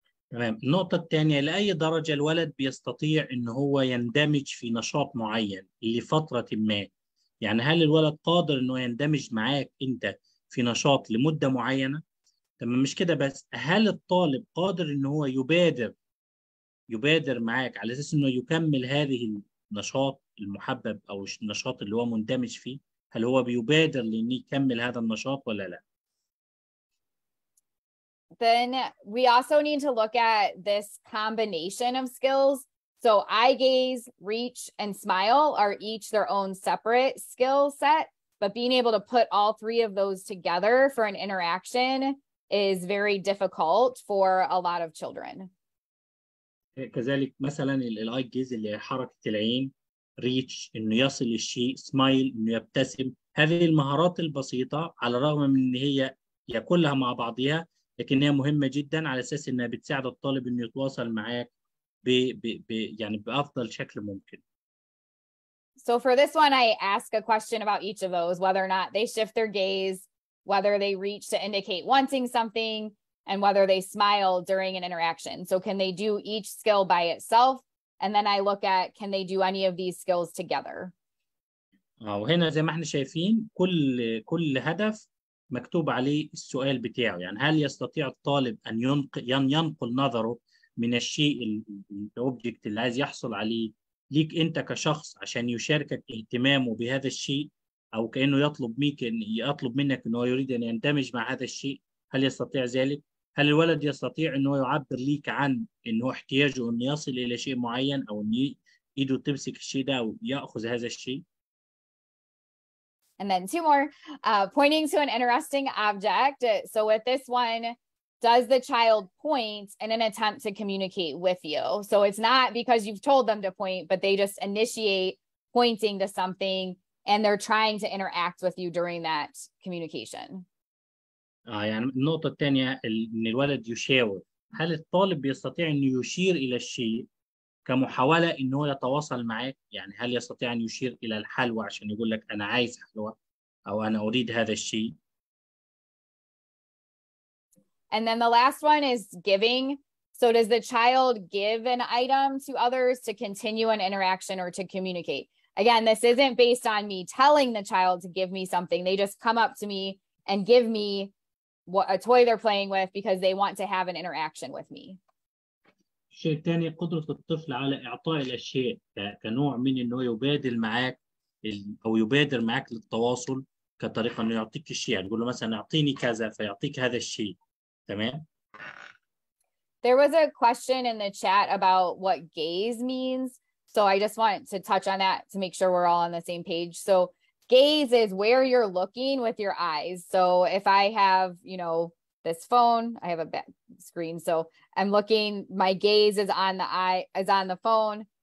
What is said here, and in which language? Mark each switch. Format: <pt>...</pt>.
<ar>تمام. النقطة الثانية، لأي درجة الولد بيستطيع إن هو يندمج في نشاط معين لفترة ما؟ يعني هل الولد قادر إنه يندمج معاك أنت في نشاط لمدة معينة؟ تمام، مش كده بس، هل الطالب قادر إنه هو يبادر معاك على أساس إنه يكمل هذه النشاط المحبب أو النشاط اللي هو مندمج فيه؟ هل هو بيبادر لإنه يكمل هذا النشاط ولا لا؟</ar> <en>Then we also need to look at this combination of skills. So eye gaze, reach, and smile are each their own separate skill set, but being able to put all three of those together for an interaction is very difficult for a lot of children.</en> <ar>كذلك مثلا الاي جيز اللي هي حركة العين، ريتش انه يصل الشيء، سمايل انه يبتسم، هذه المهارات البسيطة على الرغم من ان هي كلها مع بعضها لكنها مهمة جدا على أساس أنها بتساعد الطالب أن يتواصل معك يعني بأفضل شكل ممكن.</ar> <en>So for this one, I ask a question about each of those, whether or not they shift their gaze, whether they reach to indicate wanting something, and whether they smile during an interaction. So can they do each skill by itself? And then I look at, can they do any of these skills together?</en> <ar>وهنا زي ما احنا شايفين كل هدف مكتوب عليه السؤال بتاعه، يعني هل يستطيع الطالب أن ينقل نظره من الشيء الأوبجكت اللي عايز يحصل عليه ليك أنت كشخص عشان يشاركك اهتمامه بهذا الشيء، أو كأنه يطلب منك أنه يريد أن يندمج مع هذا الشيء، هل يستطيع ذلك؟ هل الولد يستطيع أنه يعبر ليك عن أنه احتياجه أن يصل إلى شيء معين، أو أن يده تمسك الشيء ده أو يأخذ هذا الشيء؟</ar> <en>And then two more, pointing to an interesting object. So with this one, does the child point in an attempt to communicate with you? So it's not because you've told them to point, but they just initiate pointing to something and they're trying to interact with you during that communication.</en> <ar>يعني النقطة الثانية إن الولد يشاور، هل الطالب بيستطيع إنه يشير إلى الشيء كمحاولة إنه يتواصل معك؟ يعني هل يستطيع أن يشير إلى الحلوى عشان يقول لك أنا عايز حلوى أو أنا أريد هذا الشيء؟</ar> <en>And then the last one is giving. So does the child give an item to others to continue an interaction or to communicate? Again, this isn't based on me telling the child to give me something. They just come up to me and give me a toy they're playing with because they want to have an interaction with me.</en> <ar>الشيء الثاني، قدرة الطفل على إعطاء الأشياء كنوع من أنه يبادر معك أو يبادر معك للتواصل كطريقة أنه يعطيك الشيء، يعني يقول له مثلا أعطيني كذا فيعطيك هذا الشيء. تمام؟</ar> <en>There was a question in the chat about what gaze means, so I just want to touch on that to make sure we're all on the same page. So gaze is where you're looking with your eyes. So if I have, you know, this phone, I have a bad screen, so I'm looking, my gaze is on the phone.</en>